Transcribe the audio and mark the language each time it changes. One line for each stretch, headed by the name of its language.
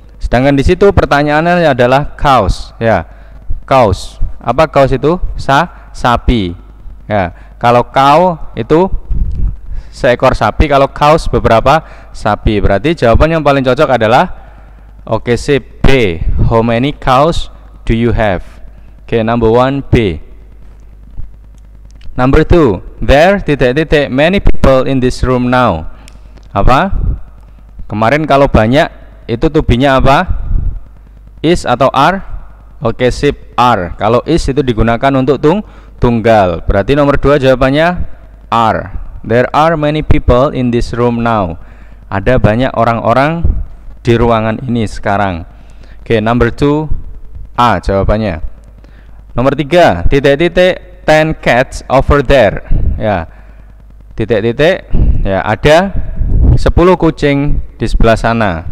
Indonesian: Sedangkan di situ pertanyaannya adalah cows, ya. Cows. Apa cows itu? Sapi. Ya. Kalau cow itu seekor sapi, kalau cows beberapa sapi. Berarti jawaban yang paling cocok adalah okay, sip, B.
English: How many cows do you have? Okay, number 1 B. Number two, there, titik-titik, many people in this room now.
Indonesian: Apa? Kemarin kalau banyak, itu to be-nya apa? Is atau are? Oke, sip, are. Kalau is itu digunakan untuk tunggal. Berarti nomor dua jawabannya are.
English: There are many people in this room now.
Indonesian: Ada banyak orang-orang di ruangan ini sekarang. Oke,
English: number two,
Indonesian: A jawabannya. Nomor tiga, titik-titik,
English: 10 cats over there.
Indonesian: Ya, titik-titik, ya, ada 10 kucing di sebelah sana.